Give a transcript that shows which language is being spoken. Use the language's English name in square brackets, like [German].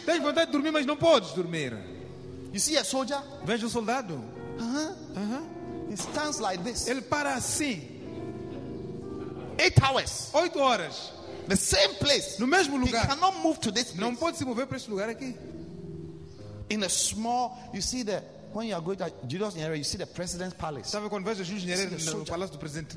[Portuguese] Tens vontade de dormir, mas não podes dormir. [English] You see a soldier? [Portuguese] Vejo um soldado. [English] He stands like this. [Portuguese] Ele para assim. [English] 8 hours. [Portuguese] 8 horas. [English] The same place. [Portuguese] No mesmo lugar. [English] He cannot move to this place. [Portuguese] Não pode se mover para este lugar aqui. [English] In a small, you see the when you are going to Julius Nyerere, you see the president's palace. [Portuguese] Sabe quando vejo Julius Nyerere no palácio do presidente?